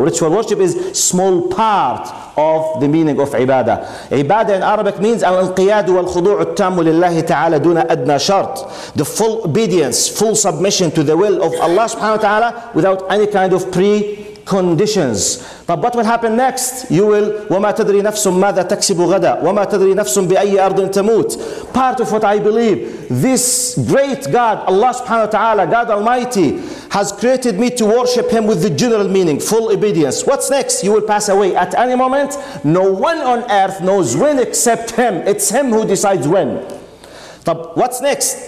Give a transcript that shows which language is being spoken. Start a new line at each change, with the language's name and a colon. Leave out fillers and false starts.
English: Ritual worship is small part of the meaning of ibadah. Ibadah in Arabic means
Arabic: al-inqiyad wal-khudu' al-tamu lillahi ta'ala duna adna shart.
English: The full obedience, full submission to the will of Allah subhanahu wa ta'ala without any kind of preconditions. But what will happen next? You will,
Arabic: وَمَا تَدْرِي نَفْسٌ مَاذَا تَكْسِبُ غَدَى وَمَا تَدْرِي نَفْسٌ بِأَيِّ أَرْضٍ تَمُوتٍ.
English: Part of what I believe, this great God, Allah subhanahu wa ta'ala, God Almighty, has created me to worship Him with the general meaning, full obedience. What's next? You will pass away at any moment. No one on earth knows when except Him. It's Him who decides when. But what's next?